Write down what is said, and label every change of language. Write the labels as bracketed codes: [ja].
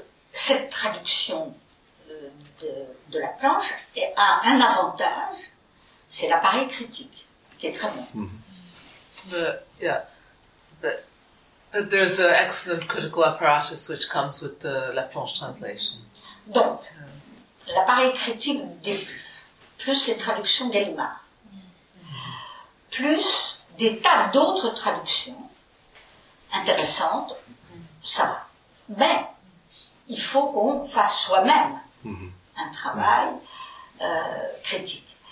[fr] Cette traduction de La Planche a un avantage, c'est l'appareil critique qui est très bon. [en] But there's an excellent critical apparatus which comes with the La Planche translation. [fr] Donc, l'appareil critique des PUF, plus les traductions Gallimard, plus des tas d'autres traductions intéressantes, ça va. Mais il faut qu'on fasse soi-même un travail critique.